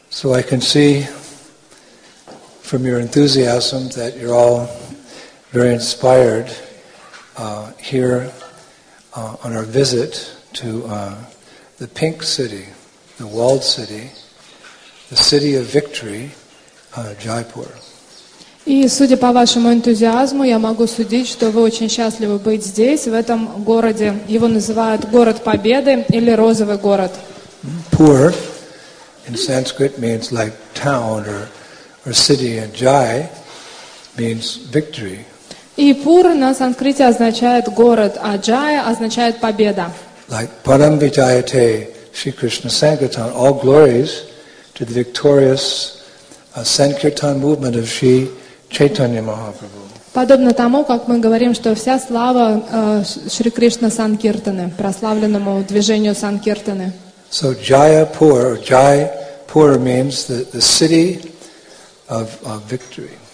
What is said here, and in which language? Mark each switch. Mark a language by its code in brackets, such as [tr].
[en] So I can see from your enthusiasm that you're all very inspired here on our visit to the Pink City, the Walled City, the City of Victory, Jaipur. [ru] И судя по вашему энтузиазму, я могу судить, что вы очень счастливы быть здесь, в этом городе. Его называют город Победы или розовый город. [en] Pur in Sanskrit means like town or city, and Jai means victory. [ru] И Пур на санскрите означает город, а Джая означает победа. [en] Like Param Vijayate Shri Krishna Sankirtan, all glories to the victorious Sankirtan movement of Sri Chaitanya Mahaprabhu. [ru] Подобно тому, как мы говорим, что вся слава Шри Кришна Санкиртаны, прославленному движению Санкиртаны. [en] So Jaipur, Jaipur means the city of victory.